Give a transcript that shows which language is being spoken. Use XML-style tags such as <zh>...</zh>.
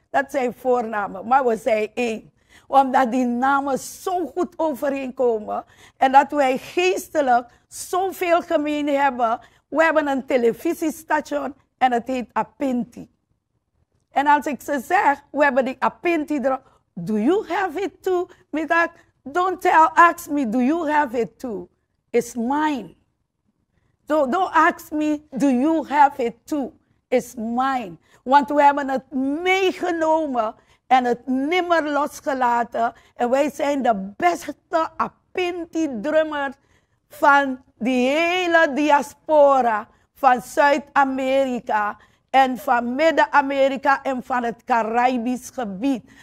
<nl>Dat zijn voornamen, maar we zijn één. Omdat die namen zo goed overeenkomen en dat wij geestelijk zoveel gemeen hebben, We hebben een televisiestation en het heet Apinti. En als ik ze zeg, we hebben die Apinti erop.</nl> <en>Do you have it too? Middag, don't tell, ask me, do you have it too? It's mine. Don't ask me, do you have it too? It's mine.</en> <nl>Want we hebben het meegenomen en het nimmer losgelaten. En wij zijn de beste Apinti drummer van die hele diaspora van Zuid-Amerika en van Midden-Amerika en van het Caribisch gebied.</nl>